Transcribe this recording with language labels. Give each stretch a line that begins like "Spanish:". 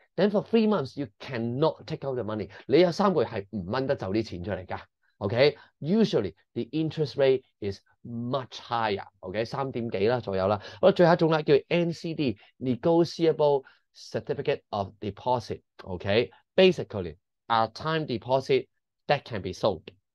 English: Then for 3 months, you cannot take out the money.
Cantonese: 你有三個月是不能得走啲錢出嚟噶。
English: Okay, usually the interest rate is much higher.
Cantonese: Okay, 3.幾啦左右啦。好啦，最後一種啦，叫 NCD, Negotiable Certificate of Deposit.
English: Okay, basically a time deposit that can be sold.